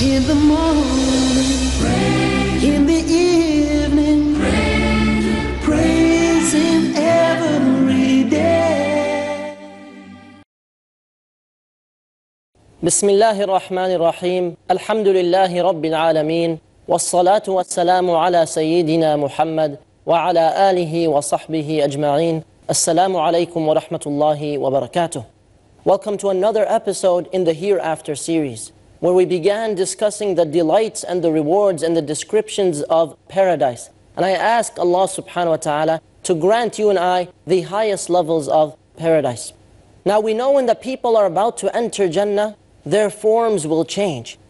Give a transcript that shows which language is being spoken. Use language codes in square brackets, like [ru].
[en] the morning, in the evening, praise Him every day. [ar] بسم الله الرحمن الرحيم الحمد لله رب العالمين والصلاة والسلام على سيدنا محمد وعلى آله وصحبه أجمعين السلام عليكم ورحمة الله وبركاته. [en] Welcome to another episode in the Hereafter series, where we began discussing the delights and the rewards and the descriptions of paradise. And I ask Allah subhanahu wa ta'ala to grant you and I the highest levels of paradise. Now we know when the people are about to enter Jannah, their forms will change.